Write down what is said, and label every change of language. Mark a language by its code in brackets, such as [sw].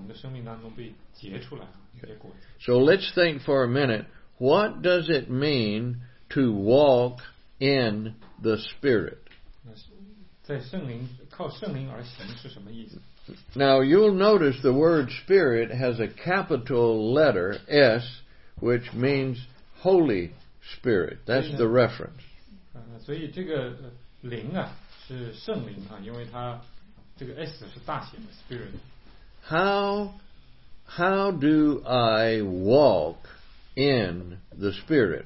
[zh] 如果我们要说呢，有一些事情啊，要在我们的生命当中被结出来，结果。 [en] So let's think for a minute. What does it mean to walk in the Spirit? [zh] 在圣灵，靠圣灵而行是什么意思？ [en] Now you'll notice the word Spirit has a capital letter S, which means Holy Spirit. That's the reference. [zh] 所以这个灵啊。是圣灵啊，因为它这个 S 是大写的 Spirit. [en] How do I walk in the Spirit?